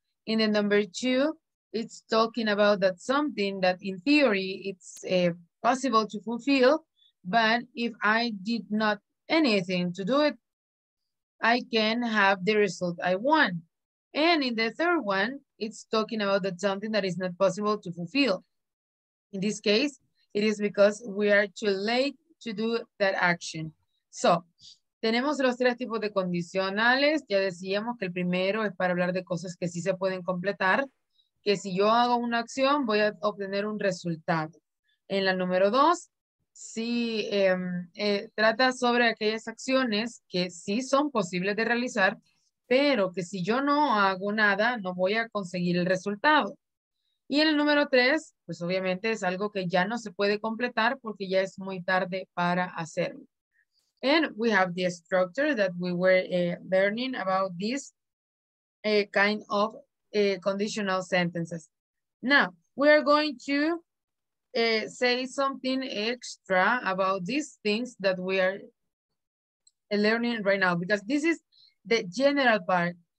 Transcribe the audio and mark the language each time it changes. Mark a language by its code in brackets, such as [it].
[en] In the number two, it's talking about that something that in theory it's possible to fulfill, but if I did not anything to do it, I can have the result I want. And in the third one, it's talking about that something that is not possible to fulfill. In this case, it is because we are too late to do that action. [es] So tenemos los tres tipos de condicionales. Ya decíamos que el primero es para hablar de cosas que sí se pueden completar, que si yo hago una acción, voy a obtener un resultado. En la número dos, sí, trata sobre aquellas acciones que sí son posibles de realizar, pero que si yo no hago nada, no voy a conseguir el resultado. Y en el número tres, pues obviamente es algo que ya no se puede completar porque ya es muy tarde para hacerlo. [en] And we have the structure that we were learning about this kind of conditional sentences. Now, we are going to say something extra about these things that we are learning right now, because this is the general part.